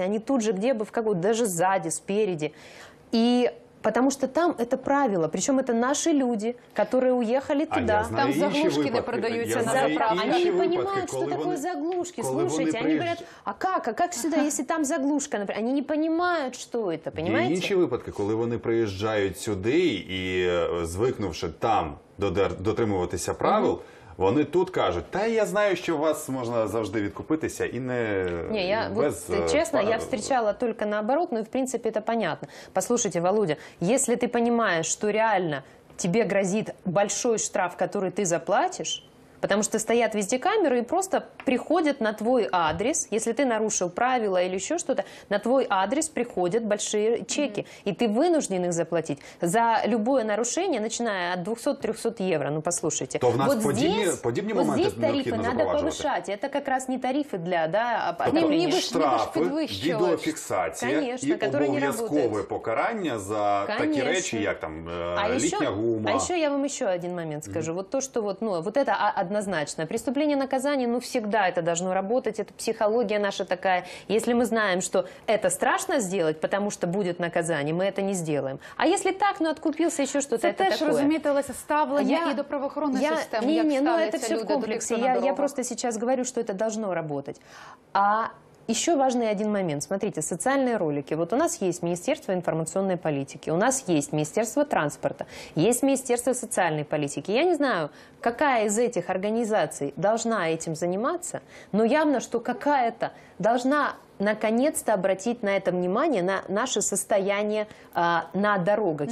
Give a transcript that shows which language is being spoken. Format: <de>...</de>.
<ru>Они тут же где бы, в какой-то, даже сзади, спереди. И потому что там это правило. Причем это наши люди, которые уехали туда. А я знаю, там заглушки не продаются на заправке. Они не понимают, что такое заглушки. Слушайте, они говорят, а как сюда, если там заглушка, например? Они не понимают, что это, понимаете?</ru> <uk>Є інші випадки, коли вони приїжджають сюди і, звикнувши там дотримуватися правил, вони тут кажуть, та я знаю, що у вас можна завжди відкупитися і не Ні, я, без...</uk> <ru>Вот, чесно, я встречала только наоборот, ну і в принципі це понятно. Послушайте, Володя,</ru> <uk>якщо ти розумієш, що реально</uk> <ru>тебе грозить великий штраф, який ти заплатиш, потому что стоят везде камеры и просто приходят на твой адрес, если ты нарушил правила или еще что-то, на твой адрес приходят большие чеки, и ты вынужден их заплатить за любое нарушение, начиная от 200-300 евро. Ну, послушайте, то в нас вот подобные моменты необходимо вот тарифы надо повышать. Это как раз не тарифы для, да, оправдания. Штрафы, видеофиксация и обов'язковое покарание за такие вещи, как там летняя гума. А еще я вам еще один момент скажу. Вот то, что вот, ну, вот это... однозначно. Преступление наказания, ну, всегда это должно работать, это психология наша такая. Если мы знаем, что это страшно сделать, потому что будет наказание, мы это не сделаем. А если так, ну, откупился еще что-то, это такое.</ru> <uk>Це теж розумітилося, ставлення і до правоохоронної системи, як ставляться люди до тих, хто на дорогах.</uk> <ru>Я просто сейчас говорю, что это должно работать. А еще важный один момент. Смотрите, социальные ролики. Вот у нас есть Министерство информационной политики, у нас есть Министерство транспорта, есть Министерство социальной политики. Я не знаю, какая из этих организаций должна этим заниматься, но явно, что какая-то должна наконец-то обратить на это внимание, на наше состояние на дорогах.</ru>